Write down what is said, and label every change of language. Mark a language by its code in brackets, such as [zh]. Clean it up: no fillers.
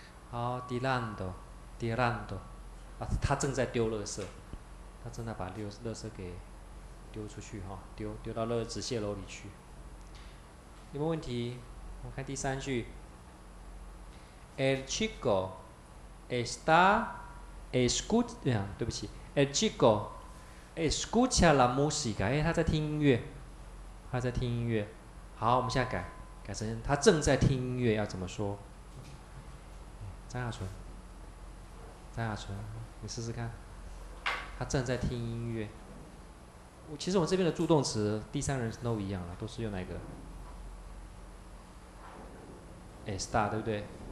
[zh] 好，Dirando，Dirando，啊，他正在丢垃圾，他正在把垃圾给丢出去哈，丢到那个纸屑篓里去。有没有问题？我看第三句。 [es] El chico está escucha， [zh] 对不起， [es] El chico escucha la música， [zh] 他在听音乐，他在听音乐。好，我们现在改成他正在听音乐，要怎么说？张亚纯，你试试看，他正在听音乐。其实我们这边的助动词第三人称都一样了，都是用哪个？está，对不对？